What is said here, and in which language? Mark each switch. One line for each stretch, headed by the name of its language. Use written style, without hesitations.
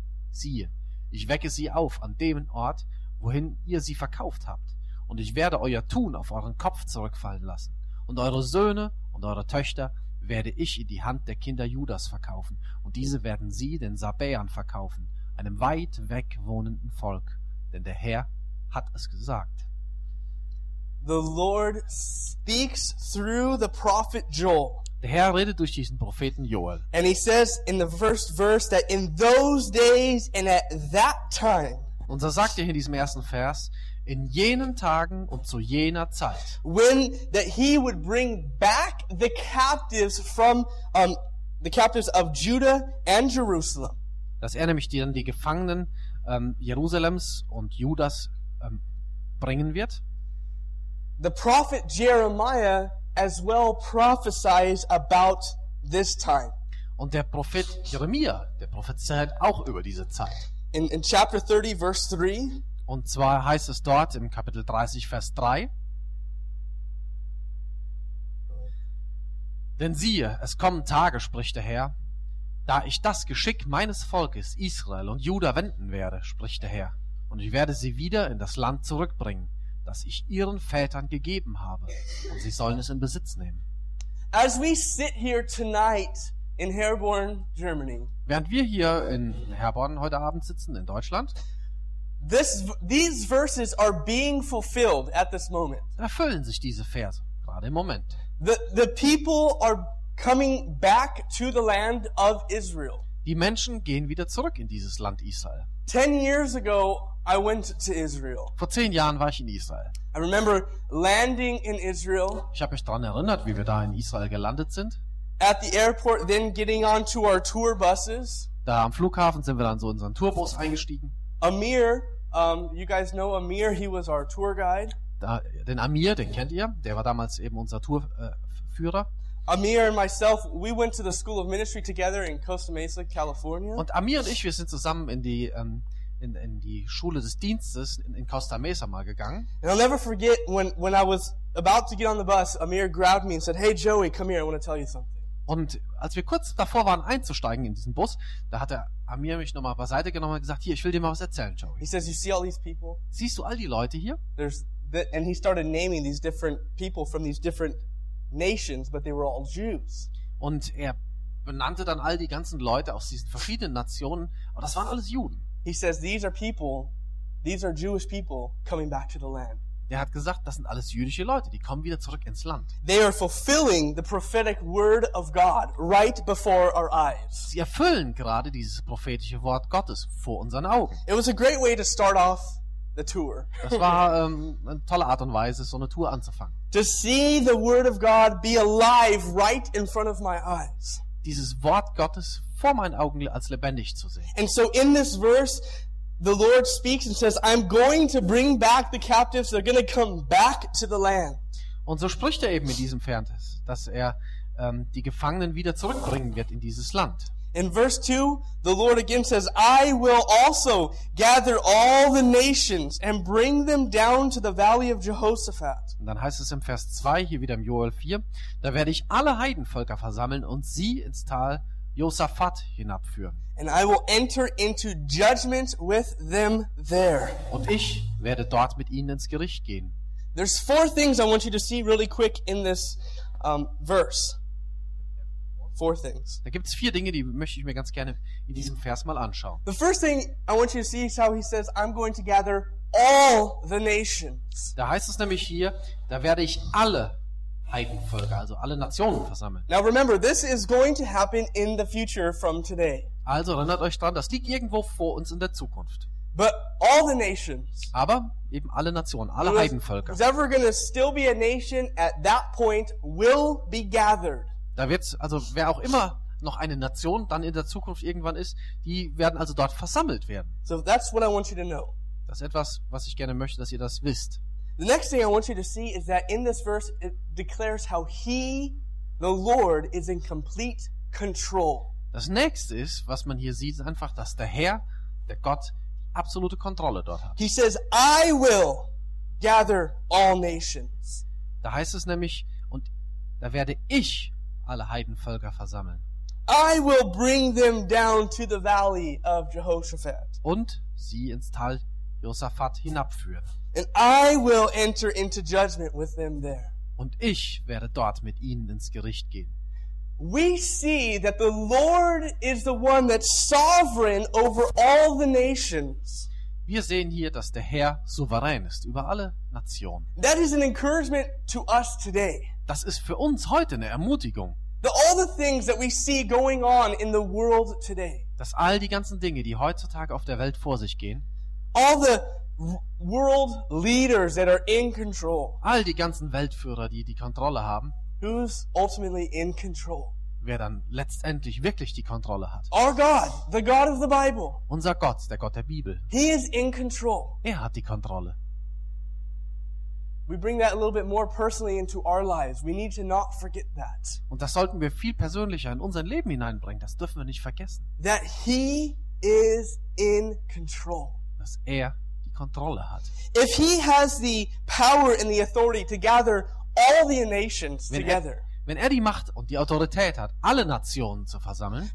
German: Siehe, ich wecke sie auf an dem Ort, wohin ihr sie verkauft habt, und ich werde euer Tun auf euren Kopf zurückfallen lassen, und eure Söhne und eure Töchter werde ich in die Hand der Kinder Judas verkaufen, und diese werden sie den Sabäern verkaufen, einem weit weg wohnenden Volk, denn der Herr hat es gesagt.
English: The Lord speaks through the prophet Joel.
German: Der Herr redet durch diesen Propheten Joel.
English: And he says in the first verse that in those days and at that time.
German: Und so sagt er in diesem ersten Vers, in jenen Tagen und zu jener Zeit.
English: When that he would bring back the captives from the captives of Judah and Jerusalem.
German: Dass er nämlich dann die Gefangenen Jerusalems und Judas bringen wird.
English: The prophet Jeremiah as well prophesies about this time.
German: Und der Prophet Jeremia, der prophezeit auch über diese Zeit.
English: In chapter 30 verse 3.
German: Und zwar heißt es dort im Kapitel 30 Vers 3. Denn siehe, es kommen Tage, spricht der Herr, da ich das Geschick meines Volkes Israel und Juda wenden werde, spricht der Herr, und ich werde sie wieder in das Land zurückbringen, das ich ihren Vätern gegeben habe, und sie sollen es in Besitz nehmen.
English: As we sit here tonight in Herborn, Germany,
German: während wir hier in Herborn heute Abend sitzen, in Deutschland,
English: these verses are being fulfilled at this moment.
German: Erfüllen sich diese Verse gerade im Moment.
English: The people are coming back to the land of Israel.
German: Die Menschen gehen wieder zurück in dieses Land Israel.
English: 10 years ago, I went to Israel.
German: Vor 10 Jahren war ich in Israel.
English: I remember landing in Israel.
German: Ich habe mich daran erinnert, wie wir da in Israel gelandet sind.
English: At the airport, then getting onto our tour buses.
German: Da am Flughafen sind wir dann so in unseren Tourbus eingestiegen.
English: Amir, you guys know Amir, he was our tour guide.
German: Da, den Amir, den kennt ihr, der war damals eben unser Tourführer.
English: Amir and myself, we went to the School of Ministry together in Costa Mesa, California.
German: Und Amir und ich, wir sind zusammen in die Schule des Dienstes in Costa Mesa mal gegangen.
English: And I'll never forget when I was about to get on the bus, Amir grabbed me and said, "Hey Joey, come here, I want to tell you something."
German: Und als wir kurz davor waren einzusteigen in diesen Bus, da hat Amir mich nochmal beiseite genommen und gesagt, "Hier, ich will dir mal was erzählen, Joey."
English: He says, "You see all these people?"
German: Siehst du all die Leute hier?
English: And he started naming these different people from these different nations, but they were all Jews.
German: Und er benannte dann all die ganzen Leute aus diesen verschiedenen Nationen, aber das waren alles Juden.
English: He says, these are Jewish people coming back to the land.
German: Er hat gesagt, das sind alles jüdische Leute, die kommen wieder zurück ins Land.
English: They are fulfilling the prophetic word of God right before our eyes.
German: Sie erfüllen gerade dieses prophetische Wort Gottes vor unseren Augen.
English: It was a great way to start off the tour.
German: Das war eine tolle Art und Weise, so eine Tour anzufangen.
English: To see the word of God be alive right in front of my eyes.
German: Dieses Wort Gottes vor meinen Augen als lebendig zu sehen.
English: And so in this verse, the Lord speaks and says, "I'm going to bring back the captives. They're going to come back to the land."
German: Und so spricht er eben in diesem Vers, dass er die Gefangenen wieder zurückbringen wird in dieses Land.
English: In verse 2, the Lord again says, I will also gather all the nations and bring them down to the valley of Jehoshaphat.
German: Und dann heißt es im Vers 2, hier wieder im Joel 4, da werde ich alle Heidenvölker versammeln und sie ins Tal Josaphat hinabführen.
English: And I will enter into judgment with them there.
German: Und ich werde dort mit ihnen ins Gericht gehen.
English: There's four things I want you to see really quick in this verse. Four things.
German: Da gibt's vier Dinge, die möchte ich mir ganz gerne in diesem Vers mal anschauen.
English: The first thing I want you to see is how he says, I'm going to gather all the nations.
German: Da heißt es nämlich hier, da werde ich alle Heidenvölker, also alle Nationen versammeln.
English: Now remember, this is going to happen in the future from today.
German: Also erinnert euch dran, das liegt irgendwo vor uns in der Zukunft.
English: But all the nations.
German: Aber eben alle Nationen, alle Heidenvölker.
English: Whoever gonna still be a nation at that point will be gathered.
German: Da wird also, wer auch immer noch eine Nation dann in der Zukunft irgendwann ist, die werden also dort versammelt werden.
English: So that's what I want you to know.
German: Das ist etwas, was ich gerne möchte, dass ihr das wisst.
English: The next thing I want you to see is that in this verse it declares how he, the Lord, is in complete control.
German: Das nächste ist, was man hier sieht, ist einfach, dass der Herr, der Gott, absolute Kontrolle dort hat.
English: He says, I will gather all nations.
German: Da heißt es nämlich, und da werde ich alle Heidenvölker versammeln.
English: I will bring them down to the valley of Jehoshaphat.
German: Und sie ins Tal Josaphat hinabführen.
English: And I will enter into judgment with them there.
German: Und ich werde dort mit ihnen ins Gericht gehen.
English: We see that the Lord is the one that's sovereign over all the nations.
German: Wir sehen hier, dass der Herr souverän ist über alle Nationen.
English: That is an encouragement to us today.
German: Das ist für uns heute eine Ermutigung.
English: All the things that we see going on in the world today.
German: Dass all die ganzen Dinge, die heutzutage auf der Welt vor sich gehen.
English: All the world leaders that are in control.
German: All die ganzen Weltführer, die die Kontrolle haben.
English: Who's ultimately in control?
German: Wer dann letztendlich wirklich die Kontrolle hat.
English: Our God, the God of the Bible.
German: Unser Gott, der Gott der Bibel.
English: He is in control.
German: Er hat die Kontrolle.
English: We bring that a little bit more personally into our lives. We need to not forget that.
German: Und das sollten wir viel persönlicher in unser Leben hineinbringen. Das dürfen wir nicht vergessen.
English: That he is in control.
German: Dass er die Kontrolle hat.
English: If he has the power and the authority to gather all the nations together.
German: Wenn er die Macht und die Autorität hat, alle Nationen zu versammeln.